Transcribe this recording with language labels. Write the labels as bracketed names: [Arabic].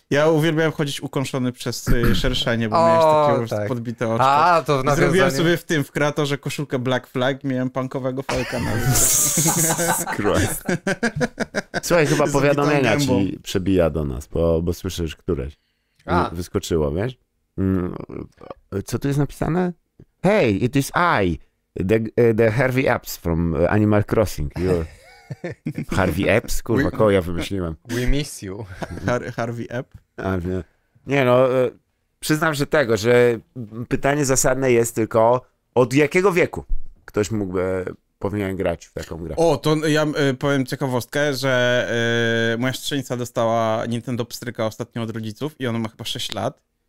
[Polish] Ja uwielbiałem chodzić ukąszony przez szerszenie, bo miałeś takie podbite oczko. To nawiązanie... Zrobiłem sobie w tym, w kratorze koszulkę Black Flag, miałem punkowego falka na Słuchaj, chyba powiadomienia ci przebija do nas, bo słyszysz któreś. Wyskoczyło, wiesz? Co tu jest napisane? [English] Hey, it is I, the Harvey Epps from Animal Crossing. Harvey Epps? [Polish] Kurwa, koło ja wymyśliłem. [English] We miss you. Harvey Epp? [Polish] Nie no, przyznam, że tego, że pytanie zasadne jest tylko, od jakiego wieku ktoś mógłby, powinien grać w taką grę? O, to ja powiem ciekawostkę, że moja siostrzenica dostała Nintendo Pstryka ostatnio od rodziców i ona ma chyba 6 lat.